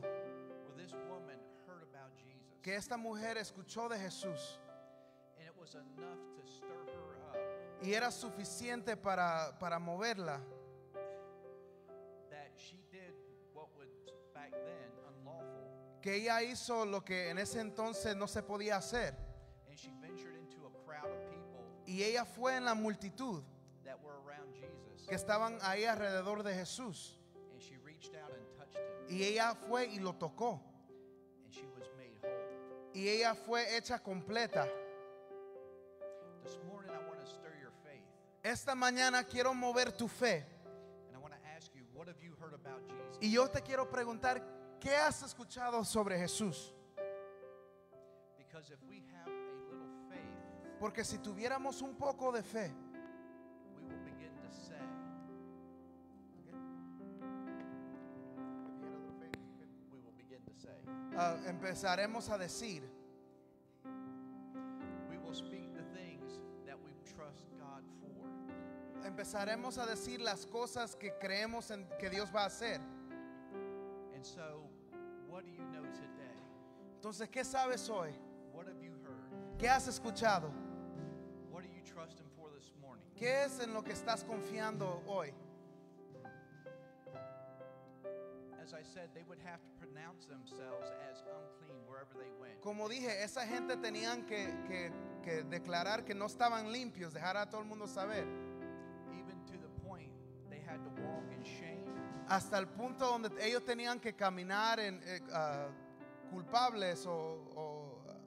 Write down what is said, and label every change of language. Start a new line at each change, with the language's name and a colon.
English: where this woman heard about Jesus,
Spanish: que esta mujer escuchó de Jesús.
English: And it was enough to stir her up.
Spanish: Y era suficiente para moverla.
English: That she did what was back then unlawful.
Spanish: Que ella hizo lo que en ese entonces no se podía hacer.
English: And she ventured into a crowd of people.
Spanish: Y ella fue en la multitud.
English: That were around Jesus.
Spanish: Que estaban ahí alrededor de Jesús.
English: And she reached out and touched him.
Spanish: Y ella fue y lo tocó.
English: And she was made whole.
Spanish: Y ella fue hecha completa.
English: This morning I want to stir your faith.
Spanish: Esta mañana quiero mover tu fe.
English: And I want to ask you, what have you heard about Jesus?
Spanish: Y yo te quiero preguntar, ¿qué has escuchado sobre Jesús?
English: Because if we have a little faith,
Spanish: porque si tuviéramos un poco de fe,
English: we will begin to say, we will begin to say,
Spanish: empezaremos a decir,
English: we will speak the things that we trust God for.
Spanish: Empezaremos a decir las cosas que creemos en que Dios va a hacer.
English: And so, what do you know today?
Spanish: Entonces, ¿qué sabes hoy?
English: What have you heard?
Spanish: ¿Qué has escuchado?
English: What are you trusting for this morning?
Spanish: ¿Qué es en lo que estás confiando hoy?
English: As I said, they would have to pronounce themselves as unclean wherever they went.
Spanish: Como dije, esa gente tenían que declarar que no estaban limpios, dejar a todo el mundo saber.
English: Even to the point they had to walk in shame.
Spanish: Hasta el punto donde ellos tenían que caminar en culpables o